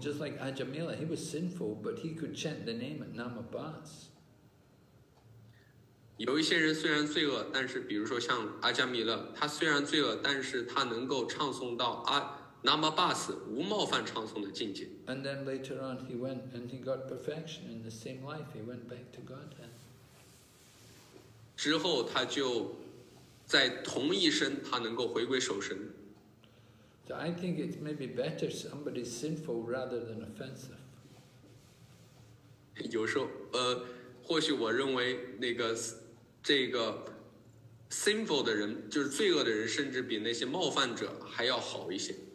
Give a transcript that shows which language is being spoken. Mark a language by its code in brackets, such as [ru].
[en] Just like Ajamila, he was sinful, but he could chant the name at Namabhas. [zh] 有一些人虽然罪恶，但是比如说像阿加米勒，他虽然罪恶，但是他能够唱诵到阿南巴巴斯无冒犯唱诵的境界。 [en] And then later on, he went and he got perfection in the same life. He went back to Godhead. [zh] 之后他就。在同一身他能够回归守身。 [en] So I think it may be better somebody sinful rather than offensive. [zh] 有时候或许我认为那个这个 sinful 的人就是罪恶的人甚至比那些冒犯者还要好一些。